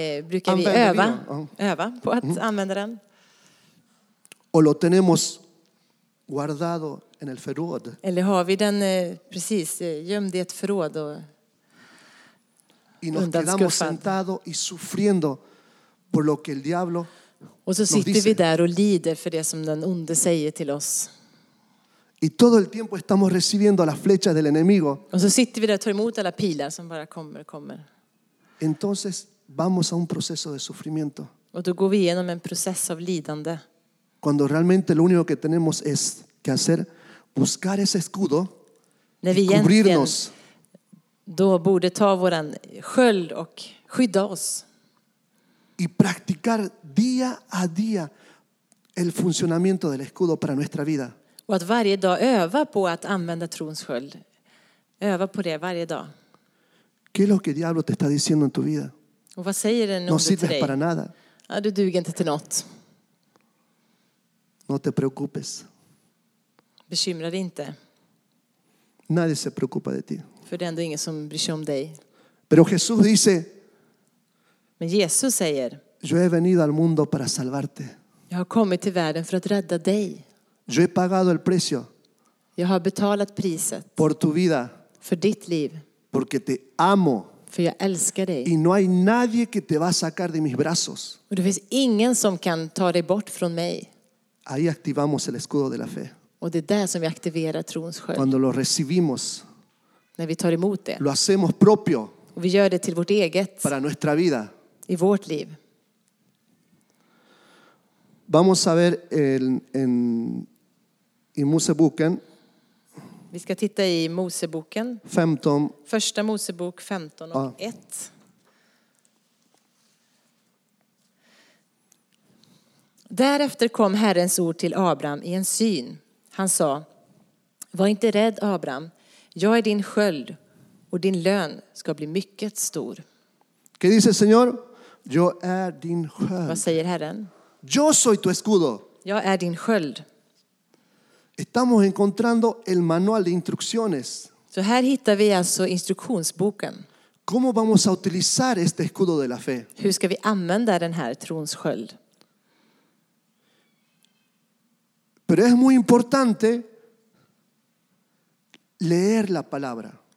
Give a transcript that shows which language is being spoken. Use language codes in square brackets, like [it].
[sv] Brukar vi öva på att använda den? [es] ¿O lo tenemos guardado en el förråd? [sv] Eller har vi den precis gömd i ett förråd och [es] quedamos sentado y sufriendo por lo que el diablo [sv] och så sitter vi där och lider för det som den onde säger till oss. [es] Y todo el tiempo estamos recibiendo las flechas del enemigo. [sv] Och så sitter vi där och tar emot alla pilar som bara kommer. [es] Entonces vamos a un proceso de sufrimiento. [sv] Och då går vi igenom en process av lidande. [es] Cuando realmente lo único que tenemos es que hacer buscar ese escudo y cubrirnos. [sv] Då borde ta våran sköld och skydda oss. [es] Y practicar día a día el funcionamiento del escudo para nuestra vida. [sv] Och att varje dag öva på att använda trons sköld. Öva på det varje dag. [es] ¿Qué es lo que el diablo te está diciendo en tu vida? [sv] Och vad säger den onde till dig? [es] No sirves para nada. [sv] Ja, du duger inte till något. [es] No te preocupes. [sv] Bekymra dig inte. [es] Nadie se preocupa de ti. [sv] För det är ändå ingen som bryr sig om dig. [es] Pero Jesús dice, [sv] men Jesus säger, [es] yo he venido al mundo para salvarte. [sv] Jag har kommit till världen för att rädda dig. [es] Yo he pagado el precio. [sv] Jag har betalat priset. [es] Por tu vida. [sv] För ditt liv. [es] Porque te amo. [sv] För jag älskar dig. [es] Y no hay nadie que te va a sacar de mis brazos. [sv] Och det finns ingen som kan ta dig bort från mig. [es] Ahí activamos el escudo de la fe. [sv] Och det är där som vi aktiverar trons sköld. [es] Cuando lo recibimos. [sv] När vi tar emot det. [es] Lo hacemos propio. [sv] Och vi gör det till vårt eget. [es] Para nuestra vida. [sv] I vårt liv. [es] Vamos a ver en i Moseboken. [sv] Vi ska titta i Moseboken. 15. Första Mosebok 15 och 1. Därefter kom Herrens ord till Abraham i en syn. Han sa: "Var inte rädd, Abraham. Jag är din sköld och din lön ska bli mycket stor." [es] ¿Qué dice el Señor? [sv] Jag är din sköld. Vad säger Herren? [es] Yo soy tu escudo. [sv] Jag är din sköld. [es] Estamos encontrando el manual de instrucciones. [sv] Så här hittar vi alltså instruktionsboken. [es] ¿Cómo vamos a utilizar este escudo de la fe? [sv] Hur ska vi använda den här trons sköld? [es] Pero es muy importante leer la palabra.